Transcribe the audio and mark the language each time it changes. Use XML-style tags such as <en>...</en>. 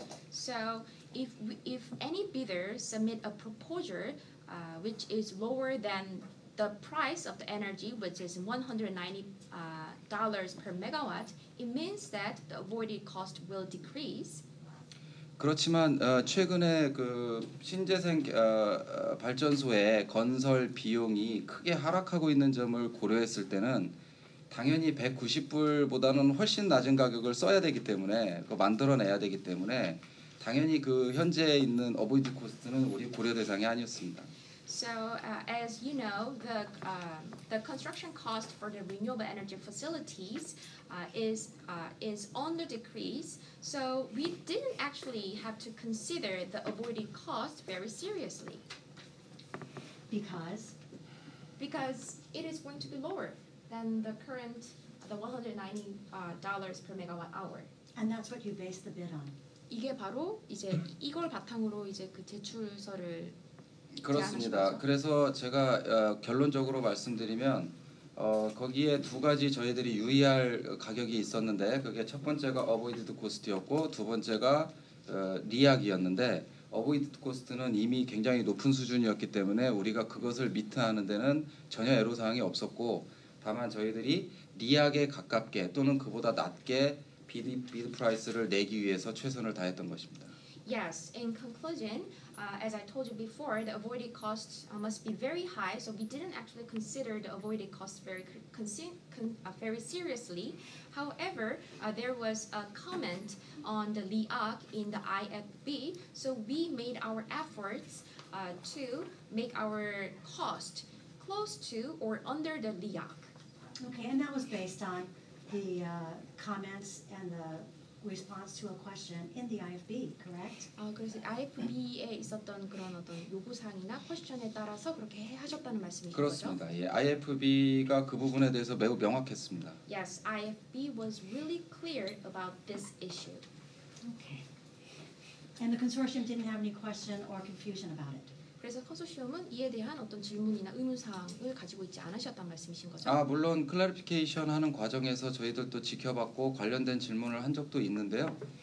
<en>So if any bidder submit a proposal which is lower than the price of the energy, which is $190 per megawatt, it means that the avoided cost will decrease.</en> <ko>그렇지만 최근에 그 신재생 발전소의 건설 비용이 크게 하락하고 있는 점을 고려했을 때는 당연히 190불보다는 훨씬 낮은 가격을 써야 되기 때문에 그 만들어내야 되기 때문에 당연히 그 현재 있는 어보이드 코스트는 우리 고려 대상이 아니었습니다.</ko> <en>So as you know, the construction cost for the renewable energy facilities is on the decrease. So we didn't actually have to consider the avoided cost very seriously. Because it is going to be lower than the current $190 per megawatt hour. And that's what you base the bid on.</en> <ko>이게 바로 이제 이걸 바탕으로 이제 그 제출서를 그렇습니다. 그래서 제가 결론적으로 말씀드리면 거기에 두 가지 저희들이 유의할 가격이 있었는데 그게 첫 번째가 avoided cost였고 두 번째가 리약이었는데 avoided cost는 이미 굉장히 높은 수준이었기 때문에 우리가 그것을 미트하는 데는 전혀 애로사항이 없었고 다만 저희들이 리약에 가깝게 또는 그보다 낮게 비드 프라이스를 내기 위해서 최선을 다했던 것입니다.</ko> <en>Yes, in conclusion, as I told you before, the avoided costs must be very high, so we didn't actually consider the avoided costs very seriously. However, there was a comment on the LIAC in the IFB, so we made our efforts to make our cost close to or under the LIAC. Okay, and that was based on the comments and the response to a question in the IFB, correct?</en> <ko>그래서 IFB에 있었던 그런 어떤 요구사항이나 퀘스천에 따라서 그렇게 하셨다는 말씀이신 그렇습니다. 거죠? 예, IFB가 그 부분에 대해서 매우 명확했습니다.</ko> <en>Yes, IFB was really clear about this issue. Okay. And the consortium didn't have any question or confusion about it.</en> <ko>그래서 컨소시엄은 이에 대한 어떤 질문이나 의문사항을 가지고 있지 않으셨단 말씀이신 거죠? 아 물론 클래리피케이션 하는 과정에서 저희들도 지켜봤고 관련된 질문을 한 적도 있는데요.</ko>